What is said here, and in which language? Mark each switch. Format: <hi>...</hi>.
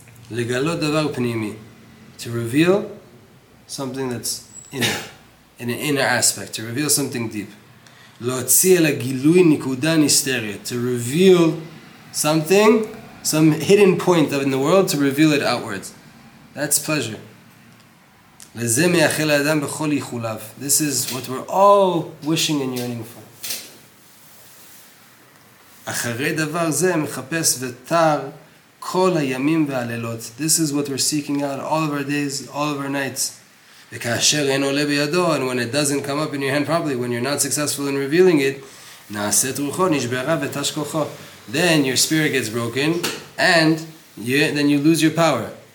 <he>Legalot davar pnimi,</he> <en>to reveal something that's inner, in an inner aspect, to reveal something deep.</en> <he>להוציא אל הגילוי נקודה נסתרת,</he> <en>to reveal something, some hidden point in the world, to reveal it outwards. That's pleasure.</en> <he>לזה מייחל האדם בכל יחוליו.</he> <en>This is what we're all wishing and yearning for.</en> <he>אחרי דבר זה מחפש ותר כל הימים והלילות.</he> <en>This is what we're seeking out all of our days, all of our nights.</en> <he>וכאשר אין עולה בידו,</he> <en>and when it doesn't come up in your hand properly, when you're not successful in revealing it,</en> <he>נעשית רוחו, נשברה ותש כוחו.</he> <en>Then your spirit gets broken, and then you lose your power.</en>